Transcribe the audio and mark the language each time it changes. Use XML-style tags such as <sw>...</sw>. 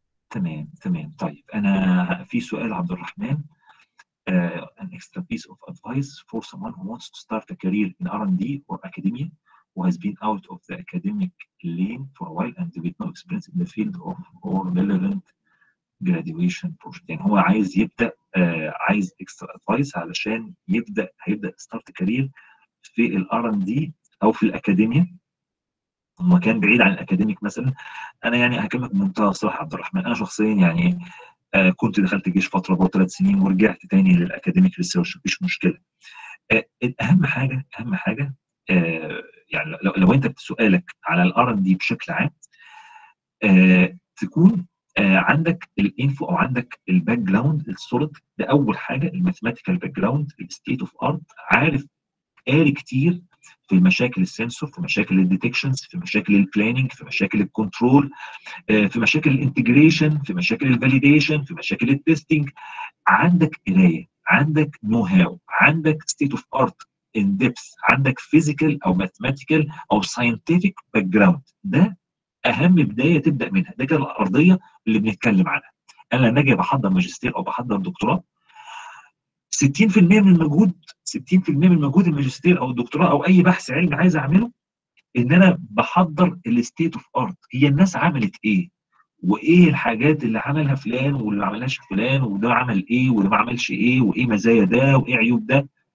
<ar>تمام طيب انا في سؤال</ar> <en>عبد الرحمن an extra piece of advice for someone who wants to start a career in R&D or academia who has been out of the academic lane for a while and with no experience in the field of or relevant graduation project.</en> <ar>يعني هو عايز يبدا عايز</ar> <en>extra advice</en> <ar>علشان هيبدا</ar> <en>start a career</en> <ar>في R&D او في الاكاديميا مكان بعيد عن الاكاديميك مثلا. انا يعني هكلمك بمنتهى الصراحه عبد الرحمن, انا شخصيا يعني كنت دخلت الجيش فتره برضه 3 سنين ورجعت تاني للاكاديميك ريسيرش, مفيش مشكله. اهم حاجه يعني لو انت سؤالك على R&D بشكل عام, تكون عندك الانفو او عندك الباك جراوند السوليد ده اول حاجه, الماثيماتيكال باك جراوند الستيت اوف ارت, عارف قاري كتير في مشاكل السنسور, في مشاكل الديتكشنز, في مشاكل البلاننج, في مشاكل الكنترول, في مشاكل الانتجريشن, في مشاكل الفاليديشن, في مشاكل التستنج. عندك قرايه, عندك نو هاو, عندك ستيت اوف ارت</ar> <en>in depth</en> <ar>عندك</ar> <en>physical أو mathematical أو scientific background.</en> <ar>ده أهم بداية تبدأ منها. ده كان الأرضية اللي بنتكلم عنها. أنا نجي بحضر ماجستير أو بحضر دكتوراه 60% من المجهود 60% من مجهود الماجستير أو الدكتوراه أو أي بحث علمي عايز أعمله إن أنا بحضر الستيت أوف أرت. هي الناس عملت إيه وإيه الحاجات اللي عملها فلان واللي عملهاش فلان وده عمل إيه وده ما عملش إيه وإيه مزايا ده وإيه عيوب ده.</ar>